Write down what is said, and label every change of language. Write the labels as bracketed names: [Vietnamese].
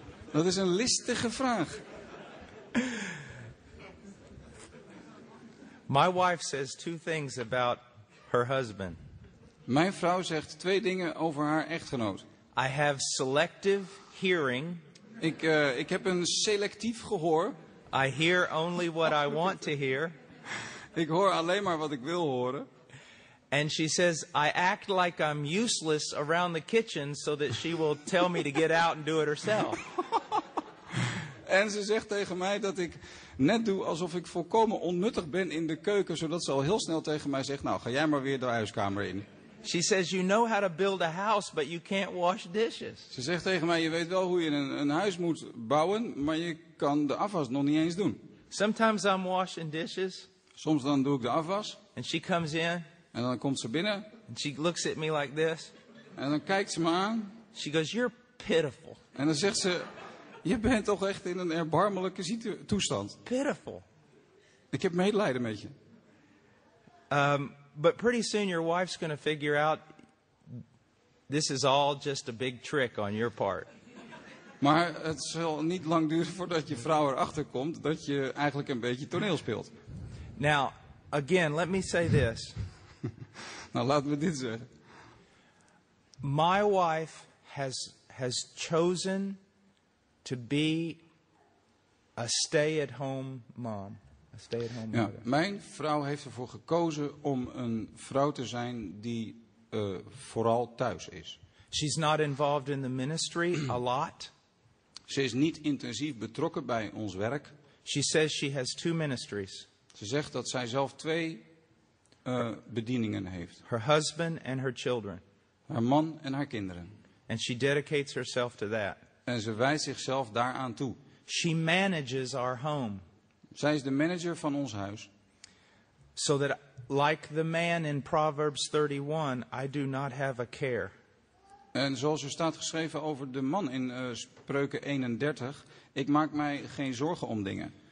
[Dutch] Dat is een listige vraag. [English] My wife says two things about her husband. [Dutch] Mijn vrouw zegt twee dingen over haar echtgenoot. [English] I have selective hearing. [Dutch] Ik heb een selectief gehoor. [English] I hear only what I want to hear. [Dutch] Ik hoor alleen maar wat ik wil horen. [English] And she says I act like I'm useless around the kitchen so that she will tell me to get out and do it herself. [Dutch] En ze zegt tegen mij dat ik net doe alsof ik volkomen onnuttig ben in de keuken, zodat ze al heel snel tegen mij zegt: nou, ga jij maar weer de huiskamer in. [English] She says you know how to build a house, but you can't wash dishes. [Dutch] Ze zegt tegen mij: je weet wel hoe je een huis moet bouwen, maar je kan de afwas nog niet eens doen. [English] Sometimes I'm washing dishes. [Dutch] Soms dan doe ik de afwas. [English] And she comes in. [Dutch] En dan komt ze binnen. [English] And she looks at me like this. [Dutch] En dan kijkt ze me aan. [English] She goes, you're pitiful. [Dutch] En dan zegt ze: je bent toch echt in een erbarmelijke toestand. [English] Pitiful. [Dutch] Ik heb medelijden met je. [English] But pretty soon your wife's going to figure out this is all just a big trick on your part. [Dutch] Maar het zal niet lang duren voordat je vrouw erachter komt dat je eigenlijk een beetje toneel speelt. [English] Now, again, let me say this. [Dutch] Nou, laten we dit zeggen. [English] My wife has chosen to be a stay-at-home mom, a stay-at-home [Dutch] ja, [English] mother. [Dutch] Mijn vrouw heeft ervoor gekozen om een vrouw te zijn die vooral thuis is. [English] She's not involved in the ministry a lot. [Dutch] Ze is niet intensief betrokken bij ons werk. [English] She says she has two ministries. [Dutch] Ze zegt dat zij zelf twee bedieningen heeft. [English] Her husband and her children. [Dutch] Haar man en haar kinderen. [English] And she dedicates herself to that. [Dutch] En ze wijst zichzelf daaraan toe. [English] She manages our home. [Dutch] Zij is de manager van ons huis. [English] So that, like the man in Proverbs 31, I do not have a care. [Dutch] En zoals er staat geschreven over de man in Spreuken 31, ik maak mij geen zorgen om dingen.